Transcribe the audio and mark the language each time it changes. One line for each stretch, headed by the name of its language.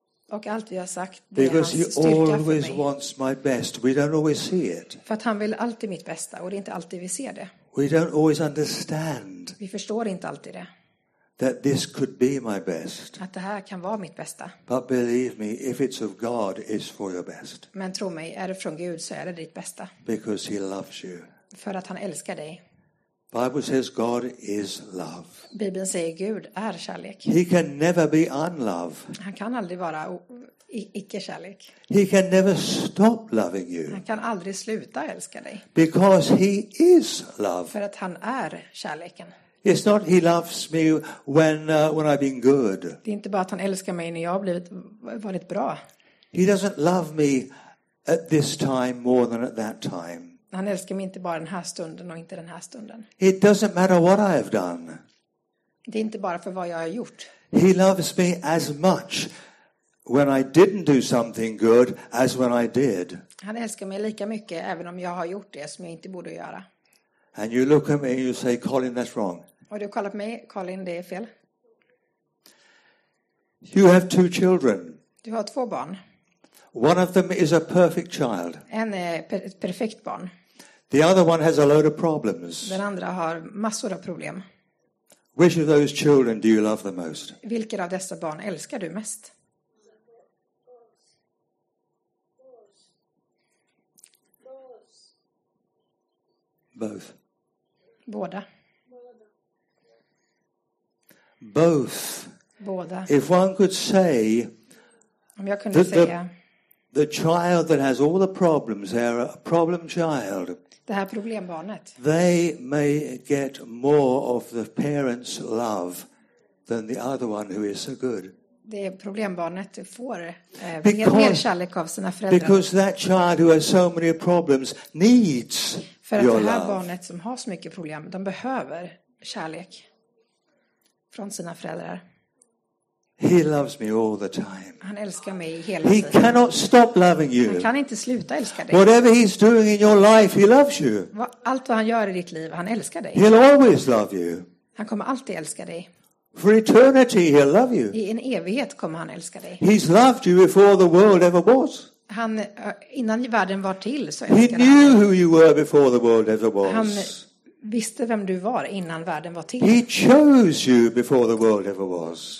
Swedish: Och allt vi har sagt, det
English: because
Swedish: är hans styrka
English: he always
Swedish: för mig.
English: Wants my best. We don't always see it.
Swedish: För att han vill alltid mitt bästa och det är inte alltid vi ser det.
English: We don't always understand.
Swedish: Vi förstår inte alltid det.
English: That this could be my best.
Swedish: Att det här kan vara mitt bästa.
English: But believe me, if it's of God, it's for your best.
Swedish: Men tro mig, är det från Gud så är det ditt bästa.
English: Because he loves you.
Swedish: För att han älskar dig.
English: Bible says God is love.
Swedish: Bibeln säger Gud är kärlek.
English: He can never be unlove.
Swedish: Han kan aldrig vara icke-kärlek.
English: He can never stop loving you.
Swedish: Han kan aldrig sluta älska dig.
English: Because he is love.
Swedish: För att han är kärleken.
English: It's not he loves me when I've been good.
Swedish: Det är inte bara att han älskar mig när jag har varit bra.
English: He doesn't love me at this time more than at that time.
Swedish: Han älskar mig inte bara den här stunden och inte den här stunden.
English: It doesn't matter what I have done.
Swedish: Det är inte bara för vad jag har gjort.
English: He loves me as much when I didn't do something good as when I did.
Swedish: Han älskar mig lika mycket även om jag har gjort det som jag inte borde göra.
English: And you look at me and you say, Colin, that's wrong.
Swedish: Och du kallar på mig, Colin, det är fel.
English: You have two children.
Swedish: Du har två barn.
English: One of them is a perfect child.
Swedish: En är ett perfekt barn.
English: The other one has a load of problems.
Swedish: Den andra har massor av problem.
English: Which of those children do you love the most?
Swedish: Vilket av dessa barn älskar du mest?
English: Both.
Swedish: Båda.
English: Both.
Swedish: Båda.
English: If one could say,
Swedish: om jag kunde säga,
English: the child that has all the problems, they're a problem child.
Swedish: Det här problembarnet.
English: They may get more of the parents' love than the other one who is so good.
Swedish: Det problembarnet får mer kärlek av sina föräldrar.
English: Because that child who has so many problems needs
Swedish: för att
English: your
Swedish: det här
English: love.
Swedish: Barnet som har så mycket problem, de behöver kärlek från sina föräldrar.
English: He loves me all the time.
Swedish: Han älskar mig hela tiden.
English: He cannot stop loving you.
Swedish: Han kan inte sluta älska dig.
English: Whatever he's doing in your life, he loves you.
Swedish: Allt vad han gör i ditt liv, han älskar dig.
English: He'll always love you.
Swedish: Han kommer alltid älska dig.
English: For eternity he'll love you.
Swedish: I en evighet kommer han älska dig.
English: He's loved you before the world ever was.
Swedish: Han innan världen var till så älskade han.
English: He knew who you were before the world ever was.
Swedish: Han visste vem du var innan världen var till.
English: He chose you before the world ever was.